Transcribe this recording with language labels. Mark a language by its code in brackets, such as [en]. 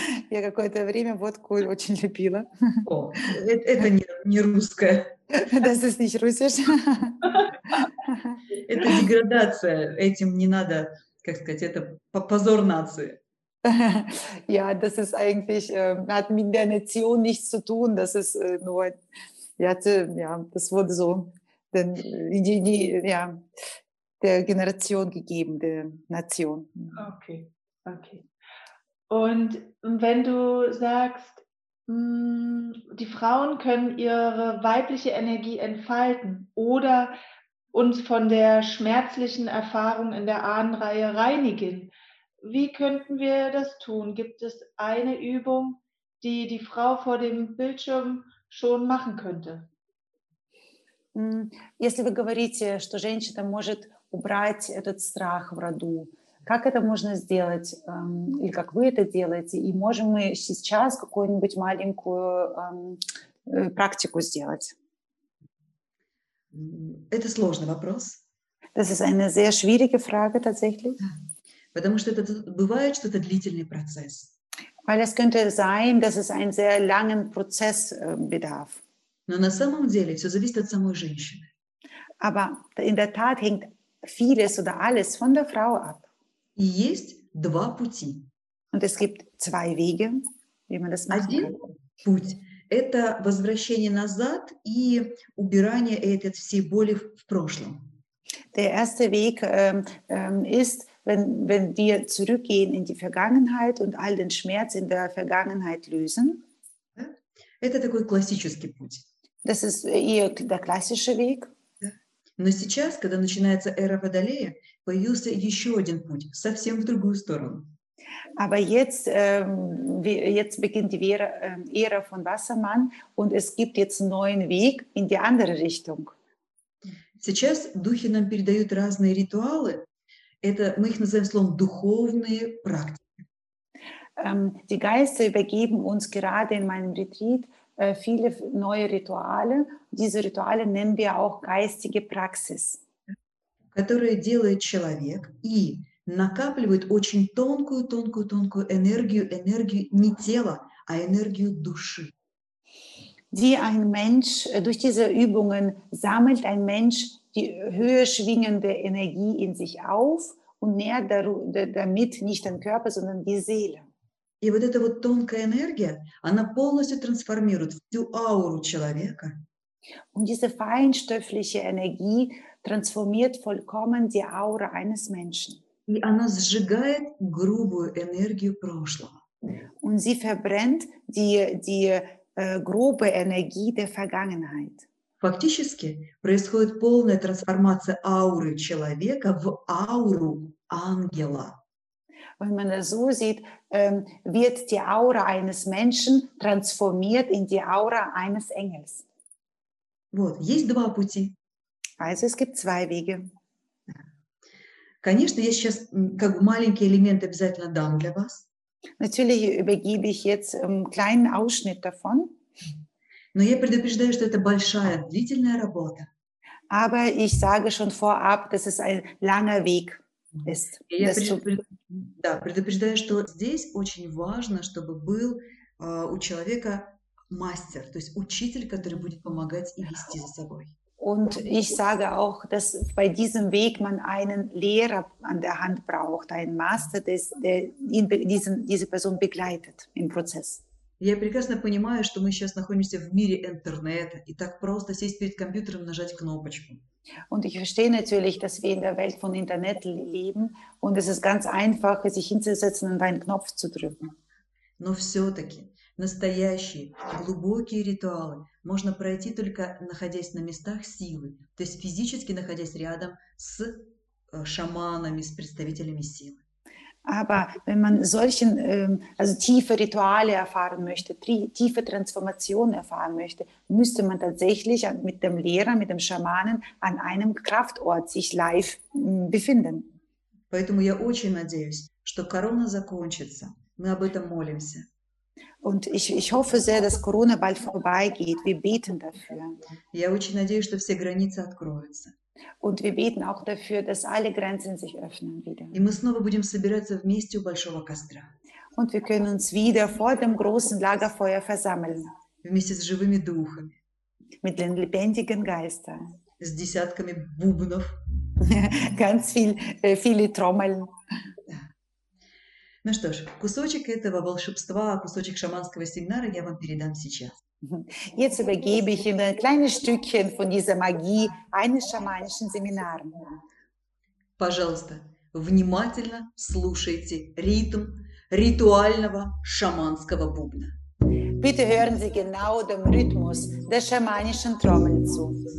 [ru] Я какое-то время водку очень любила. Это не русское. [de] Das ist nicht russisch. [ru] Это деградация. Этим не надо, как сказать, это позор нации. [de] Ja, das ist eigentlich, hat mit der Nation nichts zu tun. Das ist nur... Ja, das wurde so der Generation gegeben, der Nation. Okay. Und wenn du sagst, die Frauen können ihre weibliche Energie entfalten oder uns von der schmerzlichen Erfahrung in der Ahnenreihe reinigen, wie könnten wir das tun? Gibt es eine Übung, die Frau vor dem Bildschirm schon machen könnte? [ru] Если вы говорите, что женщина может убрать этот страх в роду, как это можно сделать, или как вы это делаете, и можем мы сейчас какую-нибудь маленькую практику сделать? Это сложный вопрос. [de] Das ist eine sehr schwierige Frage tatsächlich. [ru] Потому что это бывает, что это длительный процесс. [de] Weil es könnte sein, dass es einen sehr langen Prozess bedarf. [ru] Но на самом деле все зависит от самой женщины. [de] Aber in der Tat hängt vieles oder alles von der Frau ab. [ru] И есть два пути. [de] Und es gibt zwei Wege, wie man das machen kann. [ru] Путь – это возвращение назад и убирание этой всей боли в прошлом. [de] Der erste Weg ist, wenn wir zurückgehen in die Vergangenheit und all den Schmerz in der Vergangenheit lösen. [ru] Это такой классический путь. [de] Das ist eher der klassische Weg. [ru] Но сейчас, когда начинается эра Водолея, появился еще один путь, совсем в другую сторону. [de] Aber jetzt beginnt die Ära von Wassermann und es gibt jetzt einen neuen Weg in die andere Richtung. [ru] Сейчас духи нам передают разные ритуалы. Это мы их называем словом духовные практики. [de] Die Geister übergeben uns gerade in meinem Retreat viele neue Rituale. Diese Rituale nennen wir auch geistige Praxis. [ru] Которые делает человек и накапливает очень тонкую энергию не тела, а энергию души. [de] Die ein Mensch durch diese Übungen sammelt ein Mensch die höher schwingende Energie in sich auf und nährt damit nicht den Körper, sondern die Seele. [ru] И вот эта вот тонкая энергия, она полностью трансформирует всю ауру человека. [de] Und diese feinstoffliche Energie transformiert vollkommen die Aura eines Menschen. [ru] И она сжигает грубую энергию прошлого. [de] Und sie verbrennt die [ru] грубе энергии [de] der Vergangenheit. [ru] Фактически происходит полная трансформация ауры человека в ауру ангела. [de] Wenn man das so sieht, wird die Aura eines Menschen transformiert in die Aura eines Engels. [ru] Вот, есть два пути. [de] Also es gibt zwei Wege. [ru] Конечно, я сейчас как бы маленький элемент обязательно дам для вас. [de] Natürlich übergebe ich jetzt einen kleinen Ausschnitt davon. [ru] Но я предупреждаю, что это большая, длительная работа. [de] Aber ich sage schon vorab, dass es ein langer Weg ist. [ru] Да, предупреждаю, что здесь очень важно, чтобы был у человека мастер, то есть учитель, который будет помогать и вести за собой. [de] Und ich sage auch, dass bei diesem Weg man einen Lehrer an der Hand braucht, einen Master, der ihn, diese Person begleitet im Prozess. [ru] Я прекрасно понимаю, что мы сейчас находимся в мире интернета, и так просто сесть перед компьютером и нажать кнопочку. [de] Und ich verstehe natürlich, dass wir in der Welt von Internet leben und es ist ganz einfach, sich hinzusetzen und einen Knopf zu drücken. [ru] Но все-таки настоящие глубокие ритуалы можно пройти только находясь на местах силы, то есть физически находясь рядом с шаманами, с представителями силы. [de] Aber wenn man solchen, also tiefe Rituale erfahren möchte, tiefe Transformation erfahren möchte, müsste man tatsächlich mit dem Lehrer, mit dem Schamanen an einem Kraftort sich live befinden. [ru] Поэтому я очень надеюсь, что Corona закончится. Мы об этом молимся. [de] Und ich hoffe sehr, dass Corona bald vorbeigeht. Wir beten dafür. [ru] Я очень надеюсь, что все границы откроются. [de] Und wir beten auch dafür, dass alle Grenzen sich öffnen wieder. [ru] И мы снова будем собираться вместе у большого костра. [de] Und wir können uns wieder vor dem großen Lagerfeuer versammeln. [ru] Вместе с живыми духами. [de] Mit den lebendigen Geistern. [ru] С десятками бубнов. [de] Ganz viele Trommeln. [ru] Ну что ж, кусочек этого волшебства, кусочек шаманского семинара я вам передам сейчас. [de] Jetzt übergebe ich Ihnen ein kleines Stückchen von dieser Magie eines schamanischen Seminars. [ru] Пожалуйста, внимательно слушайте ритм ритуального шаманского бубна. [de] Bitte hören Sie genau dem Rhythmus der schamanischen Trommel zu.